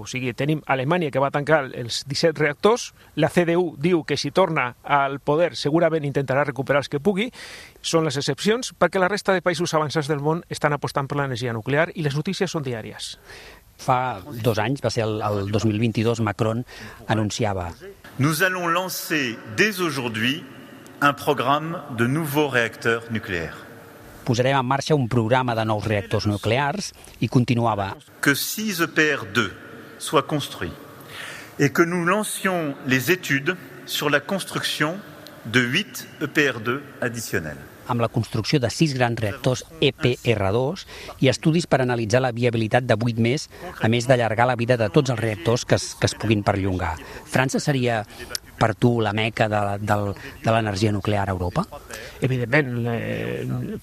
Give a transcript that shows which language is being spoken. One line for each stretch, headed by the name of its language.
Catalan: O sigui, tenim Alemanya, que va tancar els 17 reactors, la CDU diu que si torna al poder segurament intentarà recuperar els que pugui. Són les excepcions, perquè la resta de països avançats del món estan apostant per l'energia nuclear i les notícies són diàries. Fa dos anys, va ser el 2022, Macron anunciava:
French: "Nous allons lancer dès aujourd'hui un programme de nouveaux réacteurs nucléaires."
Catalan: Posarem en marxa un programa de nous reactors nucleares, i continuava:
French: "Que 6 EPR2 soient construits et que nous lancions les études sur la construction de 8 EPR2 additionnels."
Catalan: Amb la construcció de 6 grans reactors EPR2 i estudis per analitzar la viabilitat de 8 més, a més d'allargar la vida de tots els reactors que es puguin perllongar. França seria, per tu, la meca de l'energia nuclear a Europa? Evidentment.